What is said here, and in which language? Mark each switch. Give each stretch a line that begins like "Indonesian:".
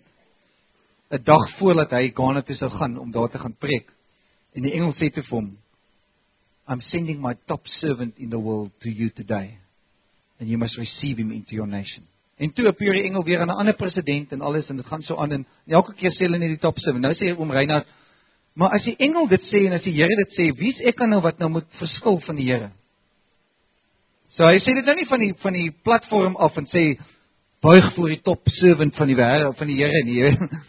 Afrikaans: Een dag voordat hy Ghana toe sou gaan, om daar te gaan preek. En die engel sê toe vir hom,
English: I'm sending my top servant in the world to you today. And you must receive him into your nation.
Afrikaans: En toe appear die engel weer aan 'n ander president en alles, en dit gaan so aan, en elke keer sê hulle nie die top 7. Nou sê oom Reinhard, maar as die engel dit sê, en as die Here dit sê, wie is ek nou wat nou moet verskil van die Here? So hy sê dit nou nie van die platform af, en sê, buig voor die top 7 van die wereld, van die Here nie.